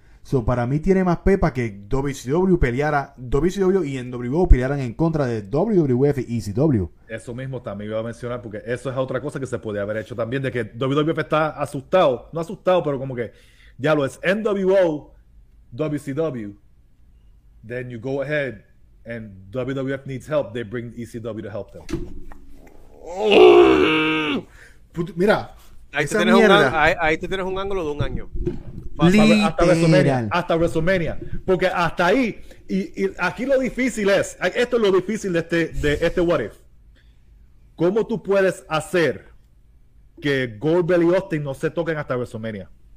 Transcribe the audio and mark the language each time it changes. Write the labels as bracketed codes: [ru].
[es] So, para mí tiene más pepa que WCW peleara... WCW y NWO pelearan en contra de WWF y ECW. Eso mismo también iba a mencionar, porque eso es otra cosa que se podía haber hecho también, de que WWF está asustado. No asustado, pero como que ya lo es. NWO, WCW... [en] Then you go ahead and WWF needs help. They bring ECW to help them. [es] Mira, ahí te tienes un ángulo de un año. Hasta WrestleMania. Hasta WrestleMania. Porque hasta ahí, y aquí lo difícil es, esto es lo difícil de este What If. ¿Cómo tú puedes hacer que Goldberg y Austin no se toquen hasta WrestleMania?